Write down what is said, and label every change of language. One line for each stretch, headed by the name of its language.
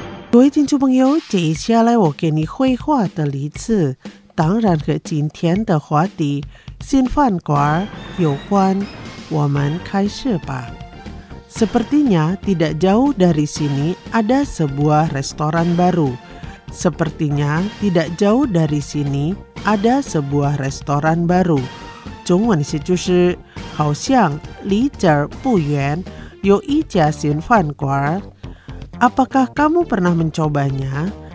Chinese: 各位听众朋友，接下来我给你绘画的例子，当然和今天的话题新饭馆有关。我们开始吧。
Indonesian: Sepertinya tidak jauh dari sini ada sebuah restoran baru. Sepertinya tidak jauh dari sini ada sebuah restoran baru.
Chinese: 中文是就是好像离这儿不远有一家新饭馆。
Indonesian: Apakah kamu pernah mencobanya?